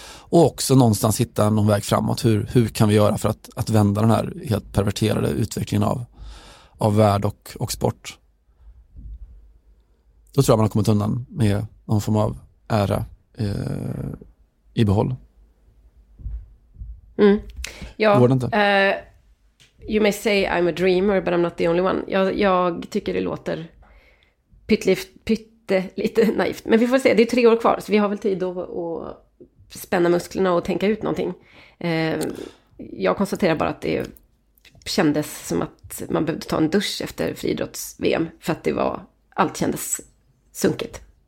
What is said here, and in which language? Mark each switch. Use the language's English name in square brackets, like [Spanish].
[Swedish] Och också någonstans hitta någon väg framåt. Hur kan vi göra för att vända den här helt perverterade utvecklingen av värld och sport? Då tror jag man har kommit undan med någon form av ära i behåll. Ja, går det inte? [English] You may say I'm a dreamer, but I'm not the only one. [Swedish] Jag tycker det låter pyttelite naivt. Men vi får se, det är 3 år kvar, så vi har väl tid att spänna musklerna och tänka ut någonting. Jag konstaterar bara att det kändes som att man behövde ta en dusch efter friidrotts-VM, för att allt kändes sunkigt.